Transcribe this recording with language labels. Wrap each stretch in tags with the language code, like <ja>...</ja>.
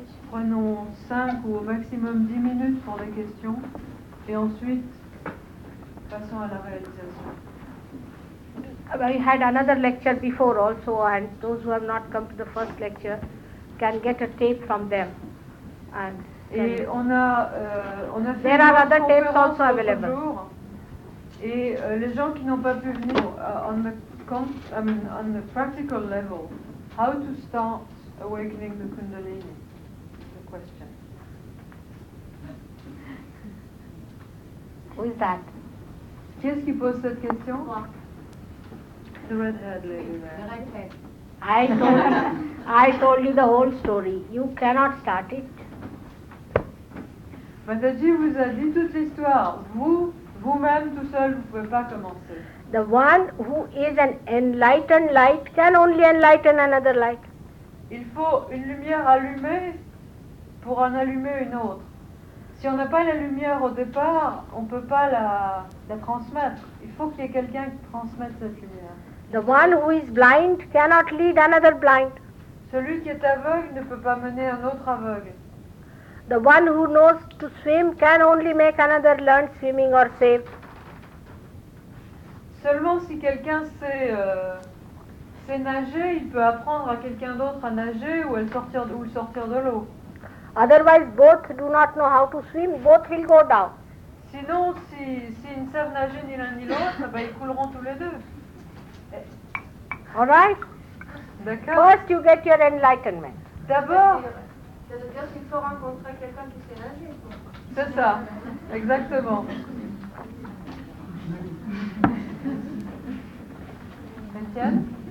<fr>Prenons 5 ou au maximum 10 minutes pour les questions et ensuite passons à la réalisation.</fr> <en>We had another lecture before also, and those who have not come to the first lecture can get a tape from them. And</en> <fr>et on a fait</fr> <en>there are other tapes also available.</en> <fr>Et les gens qui n'ont pas pu venir</fr> <en>on the practical level, how to start awakening the Kundalini, the question. Who is that?</en> <fr>Qu'est-ce qui pose cette question? Moi.</fr> <en>The red-haired lady there. The red-haired. I told you the whole story. You cannot start it.</en> <fr>Mataji vous a dit toute l'histoire. Vous-même, tout seul, vous ne pouvez pas commencer.</fr> <en>The one who is an enlightened light can only enlighten another light.</en> <fr>Il faut une lumière allumée pour en allumer une autre. Si on n'a pas la lumière au départ, on ne peut pas la transmettre. Il faut qu'il y ait quelqu'un qui transmette cette lumière.</fr> <en>The one who is blind cannot lead another blind.</en> <fr>Celui qui est aveugle ne peut pas mener un autre aveugle.</fr> <en>The one who knows to swim can only make another learn swimming or save.</en> <fr>Seulement si quelqu'un sait... C'est nager, il peut apprendre à quelqu'un d'autre à nager ou sortir de l'eau.</fr> <en>Otherwise, both do not know how to swim, both will go down.</en> <fr>Sinon, s'ils ne savent nager ni l'un ni l'autre, ben ils couleront tous les deux.</fr> <en>All right.</en> <fr>D'accord.</fr> <en>First, you get your enlightenment.</en> <fr>D'abord. C'est-à-dire qu'il faut rencontrer quelqu'un qui sait nager. Quoi. C'est ça, exactement. Etienne.</fr>